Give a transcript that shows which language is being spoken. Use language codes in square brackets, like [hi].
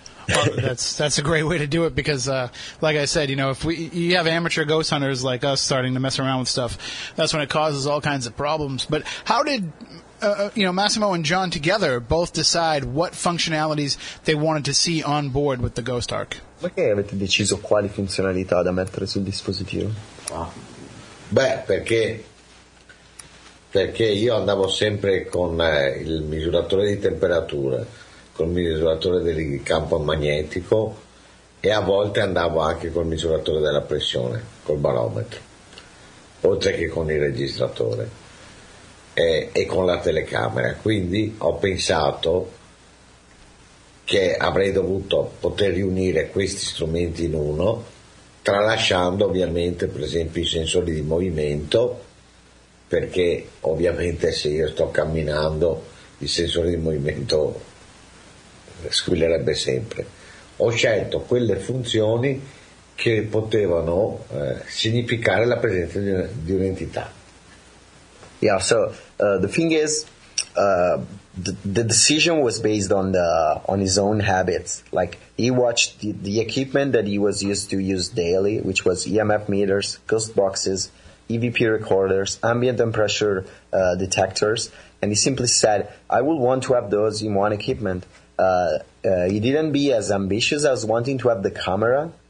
[en] Well, that's a great way to do it because, like I said, you know, if you have amateur ghost hunters like us starting to mess around with stuff, that's when it causes all kinds of problems. But how did, Massimo and John together both decide what functionalities they wanted to see on board with the Ghost Arc? [it] Perché avete deciso quali funzionalità da mettere sul dispositivo? Beh, perché... Perché io andavo sempre con il misuratore di temperatura, col misuratore del campo magnetico e a volte andavo anche col misuratore della pressione, col barometro, oltre che con il registratore e con la telecamera. Quindi ho pensato che avrei dovuto poter riunire questi strumenti in uno, tralasciando ovviamente per esempio i sensori di movimento, perché ovviamente se io sto camminando il sensore di movimento squillerebbe sempre. Ho scelto quelle funzioni che potevano significare la presenza di un'entità. [en] Yeah, so the thing is the decision was based on his own habits. Like he watched the equipment that he was used to use daily, which was EMF meters, ghost boxes, EVP recorders, ambient and pressure detectors, and he simply said, I will want to have those in one equipment. He didn't be as ambitious as wanting to have the camera